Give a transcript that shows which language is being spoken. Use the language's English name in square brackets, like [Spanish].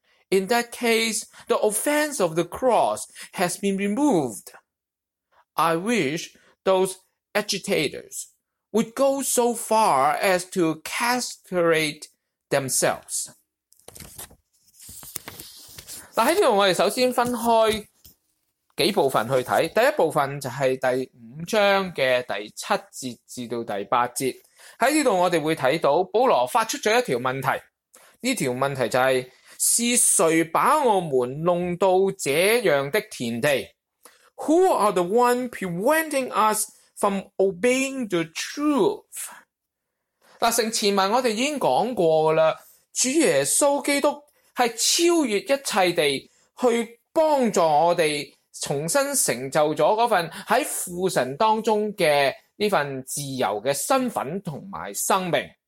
[English] In that case, the offense of the cross has been removed. I wish those agitators would go so far as to castrate themselves. [Chinese] 在这里我们首先分开几部分去看。第一部分就是第五章的第七节至到第八节。在这里我们会看到保罗发出了一条问题。这条问题就是，是谁把我们弄到这样的田地？ [English] Who are the one preventing us from obeying the truth? [Chinese] 成前文我们已经讲过了，主耶稣基督是超越一切地去帮助我们重新成就了那份在父神当中的这份自由的身份和生命。